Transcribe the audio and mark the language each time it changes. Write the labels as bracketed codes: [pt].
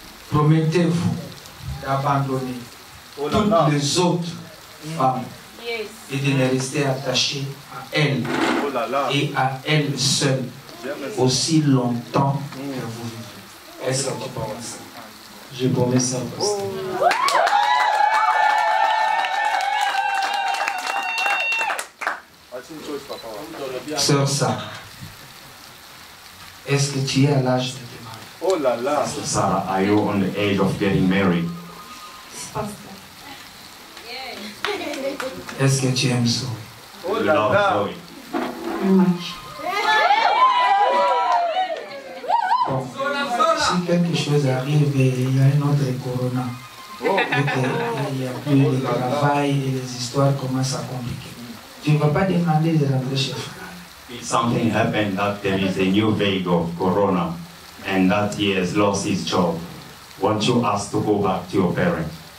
[fr] Promettez-vous d'abandonner toutes les autres femmes et de ne rester attaché à elles et à elles seules aussi longtemps que vous vivez. Est-ce que tu penses ça? Je promets ça, pasteur. Sœur Sarah, est-ce que tu es à l'âge de... Oh là là. [en] Pastor Sarah, are you on the age of getting married? Pastor. [fr] Est-ce que tu aimes Zoé? Oh là là. Zoé. Bon, si quelque chose arrive et il y a une autre corona, et qu'il n'y a plus de travail et les histoires commencent à compliquer, tu ne vas pas demander de rentrer chez frère. [en] If something happened that there is a new wave of corona, and that he has lost his job, won't you ask to go back to your parents?